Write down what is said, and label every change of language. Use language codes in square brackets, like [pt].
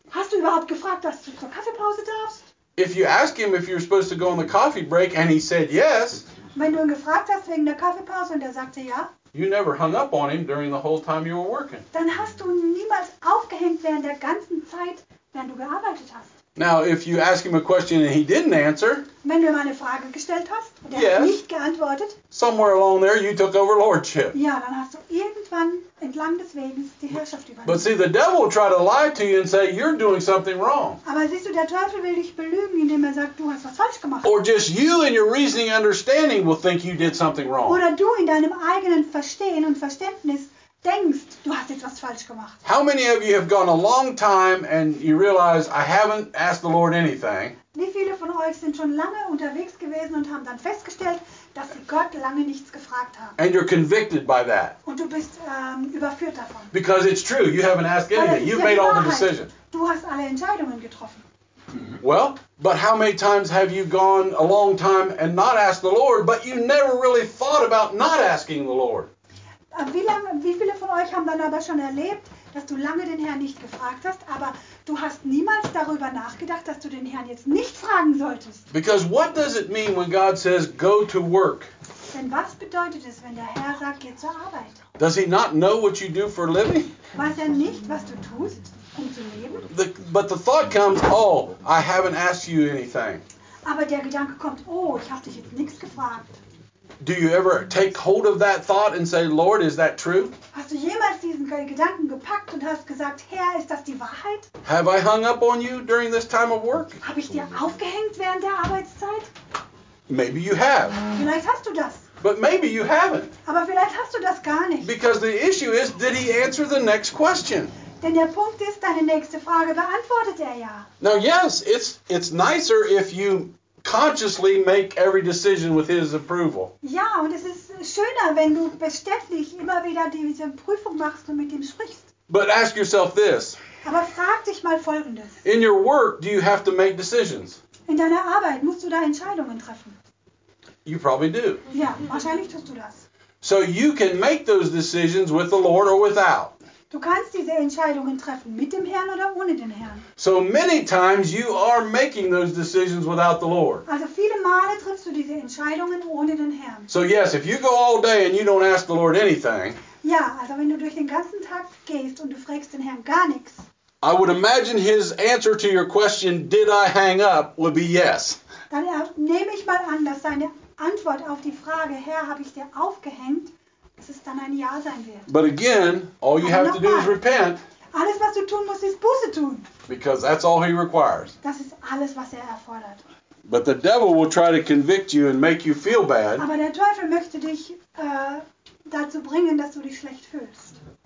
[de] Hast du überhaupt gefragt, dass du zur Kaffeepause darfst? [en] If you ask him if you were supposed to go on the coffee break and he said yes. [de] Wenn du ihn gefragt hast wegen der Kaffeepause und er sagte ja. [en] You never hung up on him during the whole time you were working. [de] Dann hast du niemals aufgehängt während der ganzen Zeit, während du gearbeitet hast. [en] Now, if you ask him a question and he didn't answer, [de] wenn du ihm eine Frage gestellt hast und er hat nicht geantwortet, [en] somewhere along there you took over lordship. [de] Ja, dann hast du irgendwann entlang des Wegens die Herrschaft übernommen. [en] But see, the devil will try to lie to you and say you're doing something wrong. [de] Aber siehst du, der Teufel will dich belügen, indem er sagt, du hast was falsch gemacht. [en] Or just you and your reasoning understanding will think you did something wrong. [de] Oder du in deinem eigenen Verstehen und Verständnis denkst, du hast jetzt was falsch gemacht. [en] How many of you have gone a long time and you realize I haven't asked the Lord anything? [de] Wie viele von euch sind schon lange unterwegs gewesen und haben dann festgestellt, dass sie Gott lange nichts gefragt haben? [en] And you're convicted by that. [de] Und du bist überführt davon. [en] Because it's true, you haven't asked anything. You've made [de] Wahrheit. [en] All the decisions. [de] Du hast alle Entscheidungen getroffen. [en] Well, but how many times have you gone a long time and not asked the Lord, but you never really thought about not asking the Lord? [de] Wie viele von euch haben dann aber schon erlebt, dass du lange den Herrn nicht gefragt hast, aber du hast niemals darüber nachgedacht, dass du den Herrn jetzt nicht fragen solltest? [en] Because what does it mean when God says, go to work? [de] Denn was bedeutet es, wenn der Herr sagt, geh zur Arbeit? [en] Does he not know what you do for a living? [de] Weiß er nicht, was du tust, um zu leben? [en] But the thought comes, oh, I haven't asked you anything. [de] Aber der Gedanke kommt, oh, ich habe dich jetzt nichts gefragt. [en] Do you ever take hold of that thought and say, Lord, is that true? [de] Hast du jemals diesen Gedanken gepackt und hast gesagt, Herr, ist das die Wahrheit? [en] Have I hung up on you during this time of work? [de] Habe ich dir aufgehängt während der Arbeitszeit? [en] Maybe you have. [de] Vielleicht hast du das. [en] But maybe you haven't. [de] Aber vielleicht hast du das gar nicht. [en] Because the issue is, did he answer the next question? [de] Denn der Punkt ist, deine nächste Frage beantwortet er ja. [en] Now, yes, it's nicer if you consciously make every decision with his approval. [de] Ja, und es ist schöner, wenn du beständig immer wieder diese Prüfung machst und mit ihm sprichst. [en] But ask yourself this. [de] Aber frag dich mal Folgendes. [en] In your work, do you have to make decisions? [de] In deiner Arbeit musst du da Entscheidungen treffen. [en] You probably do. [de] Ja, wahrscheinlich tust du das. [en] So you can make those decisions with the Lord or without. [de] Du kannst diese Entscheidungen treffen, mit dem Herrn oder ohne den Herrn. [en] So many times you are making those decisions without the Lord. [de] Also viele Male triffst du diese Entscheidungen ohne den Herrn. [en] So yes, if you go all day and you don't ask the Lord anything. [de] Ja, also wenn du durch den ganzen Tag gehst und du fragst den Herrn gar nichts. [en] I would imagine his answer to your question, did I hang up, would be yes. [de] Dann nehme ich mal an, dass seine Antwort auf die Frage, Herr, habe ich dir aufgehängt, dass es dann ein Ja sein wird. [en] But again, all you have to do is repent. [de] Alles, was du tun musst, ist Buße tun. [en] Because that's all he requires. [de] Das ist alles, was er erfordert. [en] But the devil will try to convict you and make you feel bad. [de] Aber der Teufel möchte dich dazu bringen, dass du dich schlecht fühlst.